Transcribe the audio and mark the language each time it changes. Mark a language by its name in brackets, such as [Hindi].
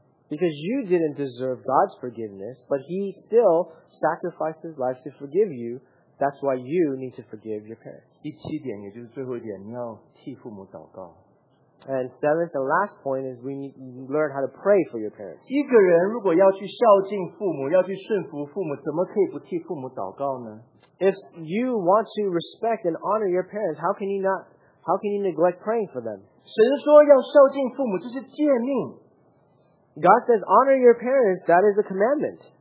[English] Because you didn't deserve God's forgiveness, but He still sacrificed His life to forgive you, that's why you need to forgive your parents. [Chinese] 第七点，也就是最后一点，你要替父母祷告。 [English] And seventh and last point is we need to learn how to pray for your parents. [Chinese] 一个人如果要去孝敬父母，要去顺服父母，怎么可以不替父母祷告呢？ [English] If you want to respect and honor your parents, how can you neglect praying for them? [Chinese] 神说要孝敬父母，这是诫命。 [English] God says, honor your parents, that is a commandment.